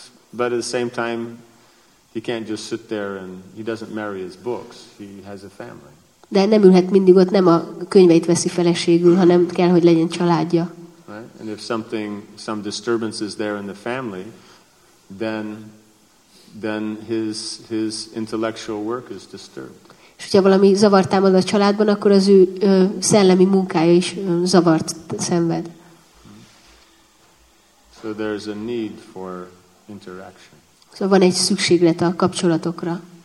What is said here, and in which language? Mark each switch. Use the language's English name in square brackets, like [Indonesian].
[English] But at the same time, he can't just sit there and he doesn't marry his books. He has a family. [Hungarian] De nem ülhet mindig ott, nem a könyveit veszi feleségül, hanem kell, hogy legyen családja. [English] And if some disturbance is there in the family, then his intellectual work is disturbed. [Hungarian] És hogyha valami zavar támad a családban, akkor az ő szellemi munkája is zavart szenved. [English] So there's a need for interaction. [Hungarian] So van egy szükséglet a kapcsolatokra.